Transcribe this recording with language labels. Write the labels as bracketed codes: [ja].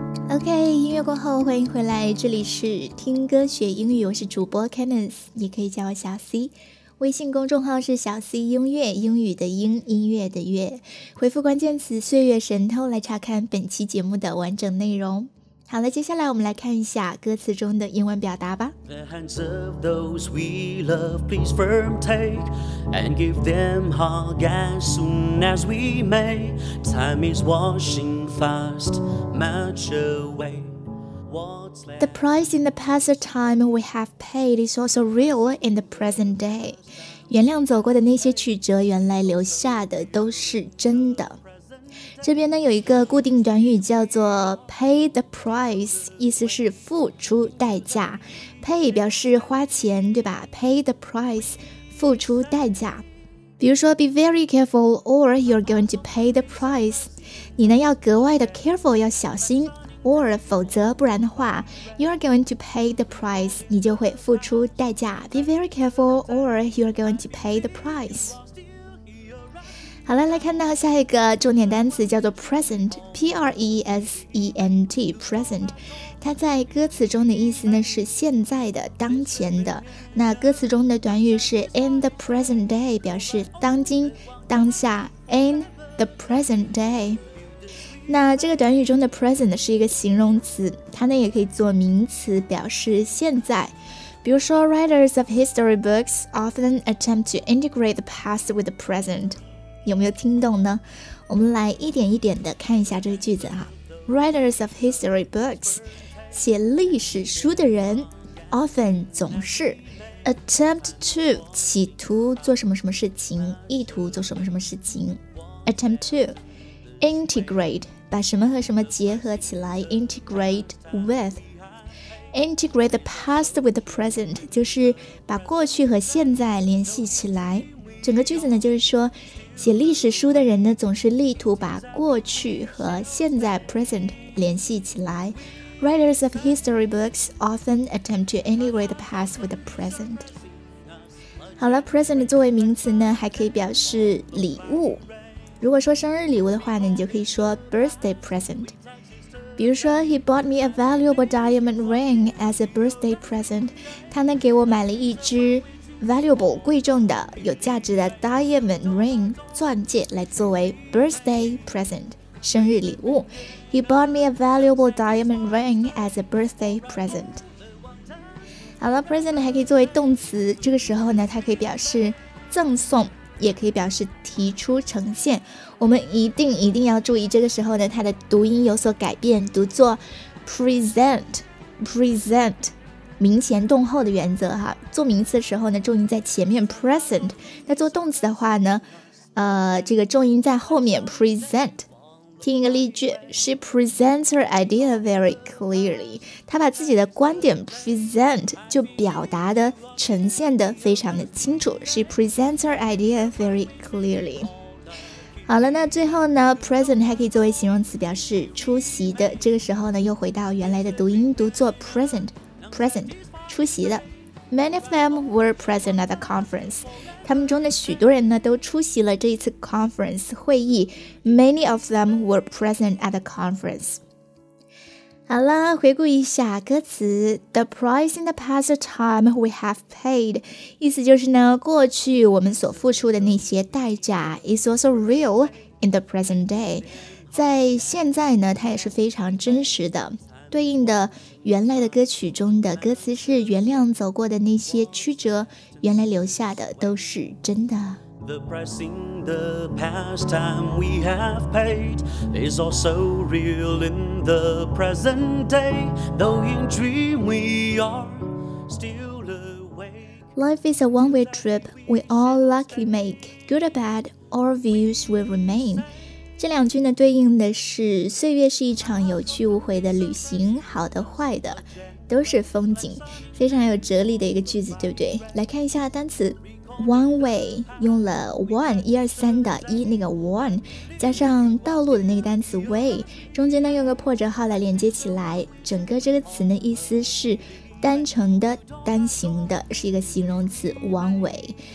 [zh] OK， 音乐过后欢迎回来，这里是听歌学英语，我是主播 Cadence， 你可以叫我小 C， 微信公众号是小 C 音乐，英语的英，音乐的乐，回复关键词岁月神偷来查看本期节目的完整内容。好了，接下来我们来看一下歌词中的英文表达吧。 [en] The hands of those we love, please firm take, and give them hug as soon as we may. Time is washing fast, march away. The price in the past time we have paid is also real in the present day. [zh] 原谅走过的那些曲折，原来留下的都是真的。这边呢有一个固定短语叫做 pay the price， 意思是付出代价。 pay 表示花钱，对吧？ pay the price， 付出代价。 比如说 [en] be very careful or you're going to pay the price， [zh] 你呢要格外的 careful， 要小心， or 否则不然的话， [en] you're going to pay the price， [zh] 你就会付出代价。 [en] be very careful or you're going to pay the price。 [zh] 好了，来看到下一个重点单词，叫做 present， P-R-E-S-E-N-T， present， 它在歌词中的意思呢是现在的，当前的。那歌词中的短语是 in the present day， 表示当今当下， in the present day。那这个短语中的 present 是一个形容词，它呢也可以做名词，表示现在。 [en] 比如说 writers of history books often attempt to integrate the past with the present， [zh] 有没有听懂呢？我们来一点一点的看一下这个句子啊。Writers of history books， 写历史书的人 often 总是 attempt to 企图做什么什么事情，意图做什么什么事情。 attempt to integrate 把什么和什么结合起来 integrate with。 integrate the past with the present 就是把过去和现在联系起来。整个句子呢就是说，写历史书的人呢总是力图把过去和现在 present 联系起来。 [en] Writers of history books often attempt to integrate the past with the present。 [zh] 好了， present 作为名词呢还可以表示礼物，如果说生日礼物的话呢，你就可以说 birthday present。 [en] 比如说 he bought me a valuable diamond ring as a birthday present， [zh] 他呢给我买了一只 [en] valuable 贵重的有价值的 diamond ring 钻戒来作为 birthday present 生日礼物。 He bought me a valuable diamond ring as a birthday present。 [zh] 好了， present 还可以作为动词，这个时候呢它可以表示赠送，也可以表示提出呈现。我们一定要注意，这个时候呢它的读音有所改变，读作 present名前动后的原则哈，做名词的时候呢重音在前面 present， 那做动词的话呢这个重音在后面 present。听一个例句， [en] She presents her idea very clearly， [zh] 她把自己的观点 present 就表达的呈现的非常的清楚。 [en] She presents her idea very clearly。 [zh] 好了，那最后呢 present 还可以作为形容词表示出席的，这个时候呢又回到原来的读音，读作 present 出席的。 [en] Many of them were present at the conference， [zh] 他们中的许多人呢都出席了这一次 conference 会议。 [en] Many of them were present at the conference。 [zh] 好了，回顾一下歌词， [en] The price in the past time we have paid， [zh] 意思就是呢过去我们所付出的那些代价， [en] is also real in the present day， [zh] 在现在呢它也是非常真实的。对应的原来的歌曲中的歌词是，原谅走过的那些曲折，原来留下的都是真的。 [en] The price in the past time we have paid is also real in the present day, though in dream we are still awake. Life is a one-way trip we all luckily make, good or bad, our views will remain。 [zh] 这两句呢对应的是，岁月是一场有去无回的旅行，好的坏的都是风景，非常有哲理的一个句子，对不对？来看一下单词 one way， 用了 one 一二三的一，那个 one 加上道路的那个单词 way， 中间呢用个破折号来连接起来，整个这个词呢意思是单程的，单行的，是一个形容词 one way。